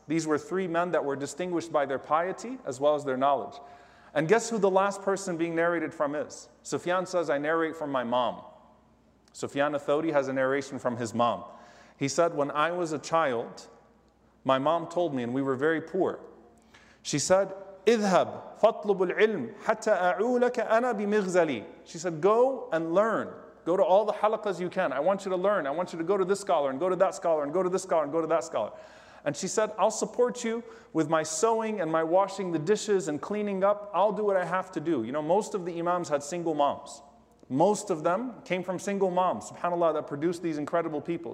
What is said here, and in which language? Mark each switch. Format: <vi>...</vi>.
<en>These were three men that were distinguished by their piety as well as their knowledge. And guess who the last person being narrated from is? Sufyan says, I narrate from my mom. Sufyan al-Thawri has a narration from his mom. He said, when I was a child, my mom told me, and we were very poor. She said,</en> <ar>اذهب فطلب العلم حتى أعولك أنا بمغزلي.</ar> <en>She said, go and learn. Go to all the halaqas you can. I want you to learn. I want you to go to this scholar and go to that scholar and go to this scholar and go to that scholar. And she said, I'll support you with my sewing and my washing the dishes and cleaning up. I'll do what I have to do. You know, most of the imams had single moms. Most of them came from single moms, subhanAllah, that produced these incredible people.</en>